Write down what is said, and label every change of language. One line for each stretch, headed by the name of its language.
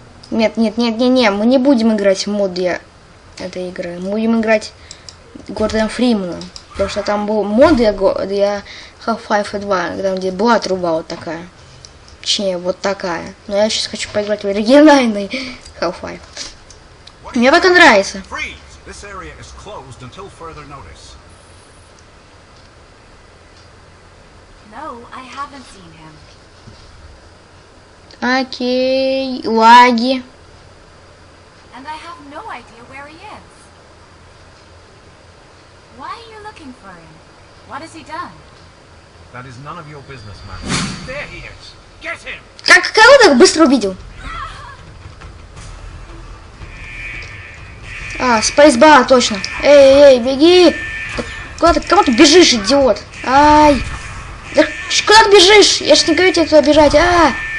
Russian: Нет, нет, нет, нет, нет, мы не будем играть в мод для этой игры. Мы будем играть Гордоном Фрименом. Потому что там был мод для Half-Life 2, там, где была труба вот такая. Точнее, вот такая. Но я сейчас хочу поиграть в оригинальный Half-Life. Мне так нравится.
English: This area is closed until further notice. No, I haven't seen him.
Russian: Окей, лаги.
English: And I have no idea where he is. Why are you looking for him? What has he done? That is none of your business, man. There he is. Get him.
Russian: Как кого так быстро увидел? А, спейсбар, точно. Эй, эй, эй, беги! Да куда ты, кому ты бежишь, идиот? Ай! Да куда ты бежишь? Я ж не говорю тебе туда бежать, а!